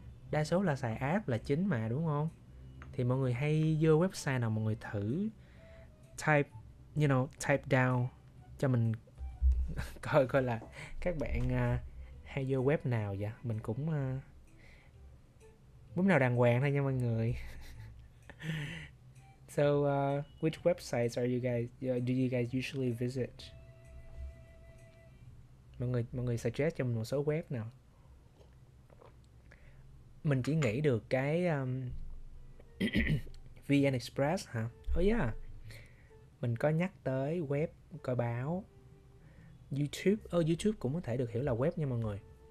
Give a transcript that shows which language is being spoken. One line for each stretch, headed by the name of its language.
Vietnamese: Đa số là xài app là chính mà đúng không? Thì mọi người hay vô website nào, mọi người thử type, type down cho mình coi coi là các bạn hay vô web nào vậy. Mình cũng muốn nào đàng hoàng thôi nha mọi người.
English: So, which websites do you guys usually visit?
Vietnamese: Mọi người suggest cho mình một số web nào. Mình chỉ nghĩ được cái VN Express hả?
English: Oh yeah.
Vietnamese: Mình có nhắc tới web coi báo. YouTube, YouTube cũng có thể được hiểu là web nha mọi người.